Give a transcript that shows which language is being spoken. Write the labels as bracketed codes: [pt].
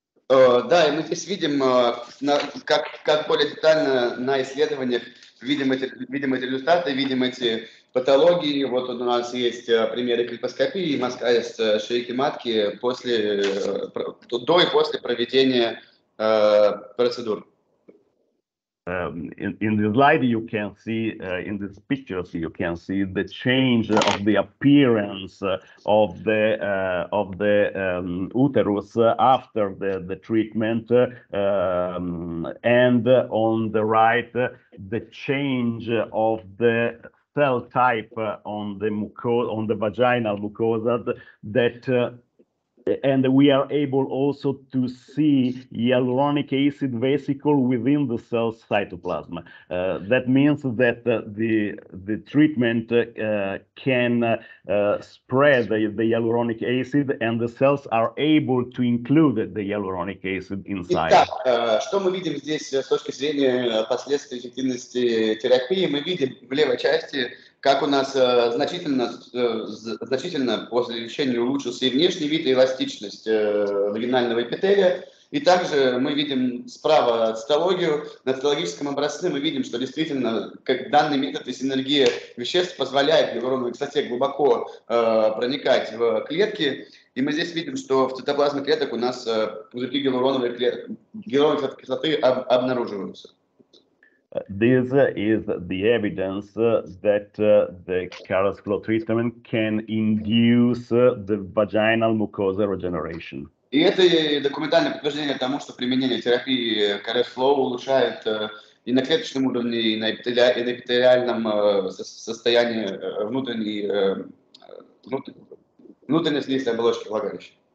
[ru] Да, и мы здесь видим, как более детально на исследованиях видим эти результаты, видим эти патологии. Вот у нас есть примеры крепоскопии, маскалис шейки матки до и после проведения процедур. [en] In the slide you can see, in this picture you can see the change of the appearance of the uterus after the treatment, and on the right the change of the cell type on the vaginal mucosa and we are able also to see hyaluronic acid vesicle within the cell cytoplasm. That means that the treatment can spread the hyaluronic acid, and the cells are able to include the hyaluronic acid inside. [ru] Итак, что мы видим здесь с точки зрения последствий эффективности терапии? Мы видим в левой части, как у нас значительно после лечения улучшился и внешний вид, и эластичность вагинального эпителия. И также мы видим справа цитологию. На цитологическом образце мы видим, что действительно как данный метод и синергия веществ позволяет гиалуроновой кислоте глубоко проникать в клетки. И мы здесь видим, что в цитоплазме клеток у нас пузырьки гиалуроновой кислоты обнаруживаются. [en] This is the evidence that the Carrasclaw treatment can induce the vaginal mucosa regeneration. [ru] И это документальное подтверждение тому, что применение терапии Carrasclaw улучшает и на клеточном уровне, и на эпителиальном состоянии внутренней слизистой оболочки влагалища.